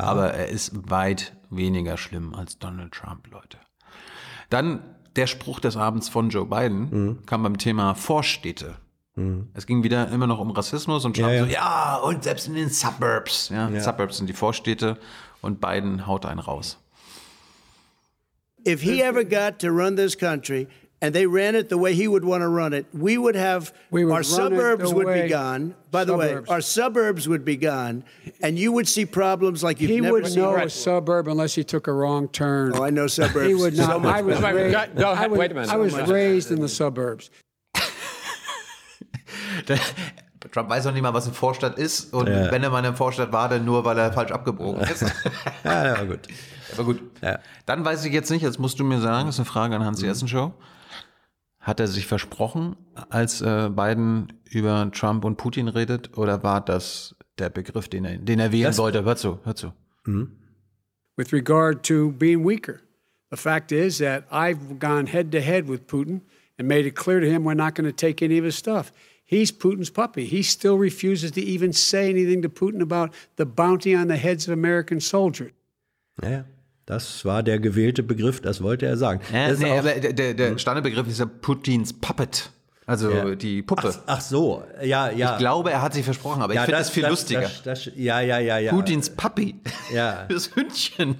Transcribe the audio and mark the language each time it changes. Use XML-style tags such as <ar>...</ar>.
<de>Aber er ist weit weniger schlimm als Donald Trump, Leute. Dann der Spruch des Abends von Joe Biden kam beim Thema Vorstädte. Es ging wieder immer noch um Rassismus und Trump und selbst in den Suburbs. Ja, ja. Suburbs sind die Vorstädte und Biden haut einen raus.</de> <en>If he ever got to run this country and they ran it the way he would want to run it, our suburbs would be gone. By the way, our suburbs would be gone and you would see problems like you've never seen. He would know a suburb unless he took a wrong turn. Oh, I know suburbs. He would not. I was raised in the suburbs.</en> <de>Trump weiß noch nicht mal, was ein Vorstadt ist. Und wenn er mal in einem Vorstadt war, dann nur, weil er falsch abgebogen ist. Ja, war gut. Aber gut. Ja. Dann weiß ich jetzt nicht, jetzt musst du mir sagen, das ist eine Frage an Hans Jessenshow. Hat er sich versprochen, als Biden über Trump und Putin redet? Oder war das der Begriff, den er wählen wollte? Hör zu. Mhm.</de> <en>With regard to being weaker. The fact is that I've gone head to head with Putin and made it clear to him we're not going to take any of his stuff. He's Putin's puppy. He still refuses to even say anything to Putin about the bounty on the heads of American soldiers.</en> <de>Ja, das war der gewählte Begriff, das wollte er sagen. Ja, der Standardbegriff ist ja Putins Puppet, also die Puppe. Ach so. Ich glaube, er hat sich versprochen, aber ich finde das viel lustiger. Das. Putins Puppy, das Hündchen.</de>